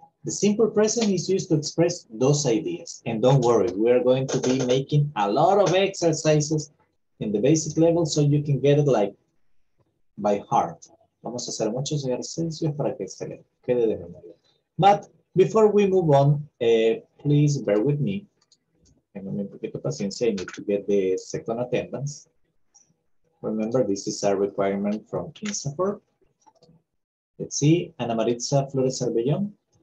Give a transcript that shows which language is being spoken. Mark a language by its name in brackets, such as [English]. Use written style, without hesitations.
[English] The simple present is used to express those ideas. And don't worry, we are going to be making a lot of exercises in the basic level, so you can get it like by heart. [Spanish] Vamos a hacer muchos ejercicios para que se quede de memoria. [English] But before we move on, please bear with me. [Spanish] Tengo un poquito de paciencia. [English] I need to get the second attendance. Remember, this is a requirement from INSAFORP. Let's see, Ana Maritza Flores Arbellón.